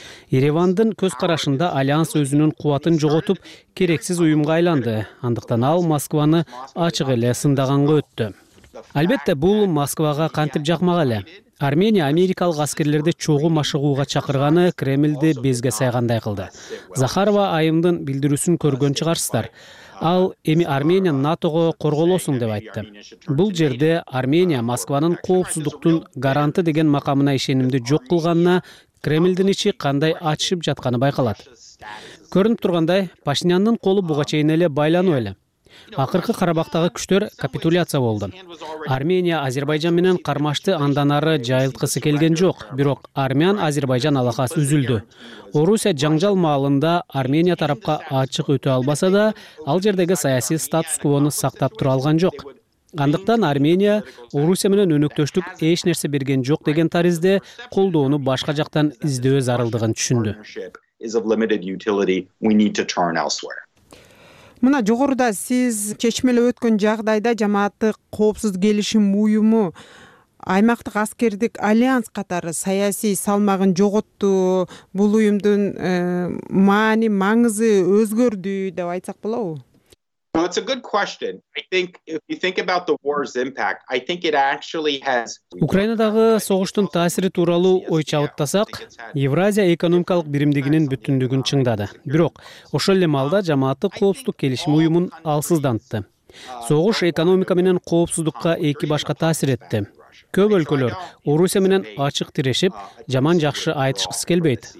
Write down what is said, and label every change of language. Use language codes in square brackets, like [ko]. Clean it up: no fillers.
[ky] Еревандын көз карашында альянс өзүнүн кубатын жоготуп, керексиз уюмга айланды. Андыктан ал Москваны ачык эле сындаганга өттү. Албетте, бул Москвага кантип жакмак эле. Армения америкалык аскерлерди чогуу машыгууга чакырганы Кремльди безге сайгандай кылды. Захарова айымдын билдирүүсүн көргөн чыгарсыздар. Ал эми Армения НАТОго корголосун деп айтты. Бул жерде Армения Москванын коопсуздуктун гаранты деген макамына ишенимди жок кылганына Кремльдин ичи кандай ачышып жатканы байкалат. Көрүнүп тургандай, Пашиняндын колу буга чейин эле байлануу эле. Акыркы Карабахтагы күчтөр капитуляция болду. Армения Азербайжан менен кармашты андан ары жайылткысы келген жок, бирок армян Азербайжан алакасы үзүлдү. Орусия жаңжал маалында Армения тарапка ачык өтө албаса да, ал жердеги саясий статус-квону сактап тура алган жок. Андыктан Армения Орусия менен өнөктөштүк эч нерсе берген жок деген тарызда колдоону башка жактан издөө зарылдыгын түшүндү. Мына жогоруда сиз чечмеле өткөн жагдайда жамааттык коопсуздук келишим уюму аймактык аскердик альянс катары саясий салмагын жоготту, бул уюмдун маани маңызы өзгөрдү деп айтсак болобу? [en] Well, it's a good question. I think if you think about the war's impact, I think it actually has [ky] Украинадагы согуштун таасири тууралуу ой чабыттасак, Евразия экономикалык биримдигинин бүтүндүгүн чыңдады. Бирок, ошол эле маалда жамааттык коопсуздук келишими уюмун алсыздантты. Согуш экономика менен коопсуздукка эки башка таасир этти. Көп өлкөлөр Орусия менен ачык тирешип, жаман жакшы айтышкысы келбейт.